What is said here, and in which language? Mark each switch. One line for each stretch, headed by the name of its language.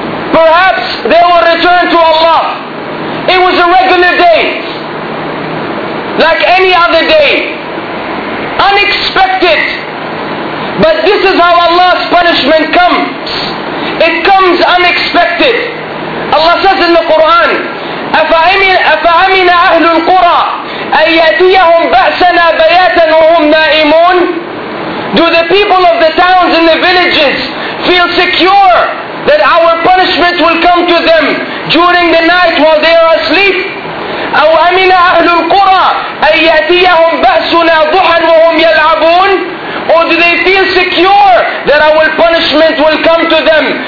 English: Perhaps they will return to Allah. It was a regular day, like any other day, unexpected. But this is how Allah's punishment comes. It comes unexpected. Allah says in the Quran,
Arabic: أَفَأَمِنَ أَهْلُ الْقُرَىٰ أَن يَأْتِيَهُمْ بَأْسَنَا بَيَاتًا وَهُمْ نَائِمُونَ.
English: Do the people of the towns and the villages feel secure that our punishment will come to them during the night while they are asleep?
Arabic: أَوْ أَمِنَ أَهْلُ الْقُرَىٰ أَن يَأْتِيَهُمْ بَأْسُنَا ضُحًا وَهُمْ يَلْعَبُونَ.
English: Or do they feel secure that our punishment will come to them?